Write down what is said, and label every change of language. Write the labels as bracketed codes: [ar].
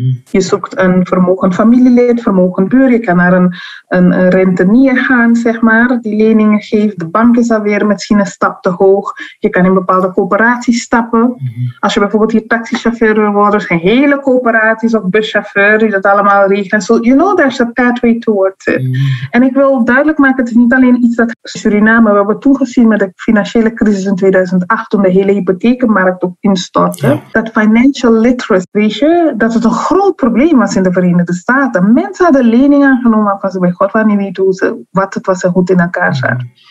[nl] Je zoekt een vermogend familielid, vermogend buur, je kan naar een rentenier gaan, zeg maar, die leningen geeft, de bank is alweer misschien een stap te hoog, je kan in bepaalde coöperaties stappen. Als je bijvoorbeeld hier taxichauffeur wil worden, zijn hele coöperaties of buschauffeur die dat allemaal regelen. [en] So you know there's a pathway towards it. [nl] En ik wil duidelijk maken, het is niet alleen iets dat Suriname, we hebben toegezien met de financiële crisis in 2008, toen de hele hypothekenmarkt ook instortte, dat financial literacy, weet je, dat het een groot probleem was in de Verenigde Staten. Mensen hadden leningen aangenomen waarvan ze bij God wel niet weten wat het was en hoe het in elkaar zat.